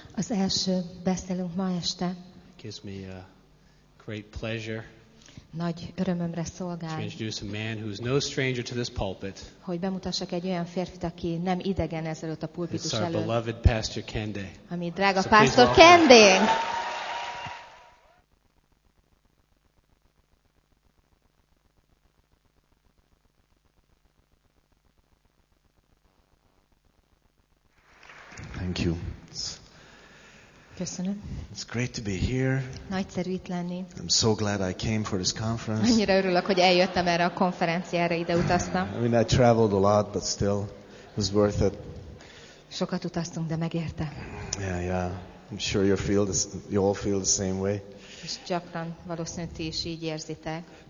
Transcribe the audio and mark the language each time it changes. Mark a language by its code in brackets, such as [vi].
[hu] Az első beszélünk ma este. [en] Gives me a great pleasure. [hu] Nagy örömömre szolgál. [en] To introduce a man who is no stranger to this pulpit. [hu] Hogy bemutassak egy olyan férfit, aki nem idegen ezelőtt a pulpitus előtt. [en] It's our beloved Pastor Kende. [hu] A mi drága Pastor Kende. [en] Thank you. [hu] Köszönöm. [en] It's great to be here. [hu] Nagyszerű itt lenni. [en] I'm so glad I came for this conference. [hu] Annyira örülök, hogy eljöttem erre a konferenciára, ide utaztam. [en] I mean, I traveled a lot, but still, it was worth it. [hu] Sokat utaztunk, de megérte. [en] Yeah. I'm sure you feel this, you all feel the same way. [hu] És gyakran valószínűleg ti is így érzitek.